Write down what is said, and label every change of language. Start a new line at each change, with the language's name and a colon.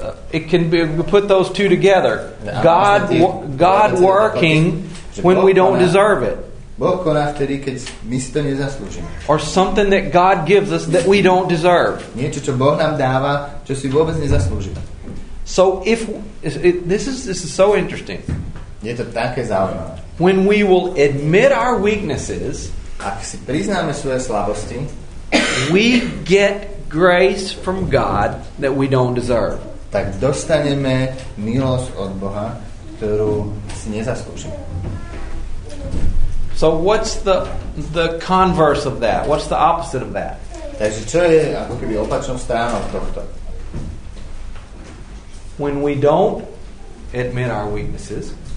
English: It can be put those two together. God working when we don't deserve it.
Slovak: Boh koná vtedy, keď my si to nezaslúžime.
English: Or something that God gives us that we don't deserve.
Slovak: Niečo, čo Boh nám dáva, čo si vôbec nezaslúžime.
English: So if this is so interesting.
Slovak: Je to také zaujímavé.
English: When we will admit our weaknesses,
Slovak: ak si priznáme svoje slabosti,
English: we get grace from God that we don't deserve.
Slovak: Tak dostaneme milosť od Boha, ktorú si nezaslúžime.
English: So what's the converse of that? What's the opposite of that?
Slovak: Takže čo je ako keby opačnou stranou tohto?
English: When we don't admit our weaknesses,